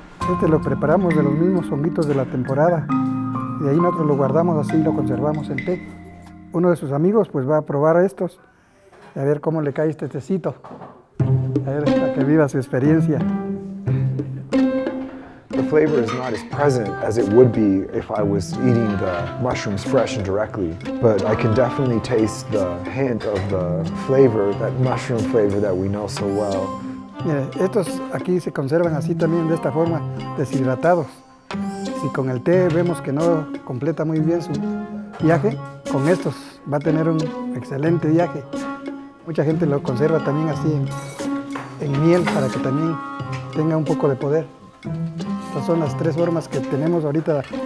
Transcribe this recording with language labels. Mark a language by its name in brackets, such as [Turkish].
[Spanish] Este lo preparamos de los mismos honguitos de la temporada. Y ahí nosotros lo guardamos así y lo conservamos en té. Uno de sus amigos pues va a probar estos y a ver cómo le cae este tecito. A ver, para que viva su experiencia. [English] The flavor is not as present as it would be if I was eating the mushrooms fresh and directly, but I can definitely taste the hint of the flavor, that mushroom flavor that we know so well. [Spanish] Mire, estos aquí se conservan así también, de esta forma, deshidratados. Si con el té vemos que no completa muy bien su viaje, con estos va a tener un excelente viaje. Mucha gente lo conserva también así en miel para que también tenga un poco de poder. Estas son las tres formas que tenemos ahorita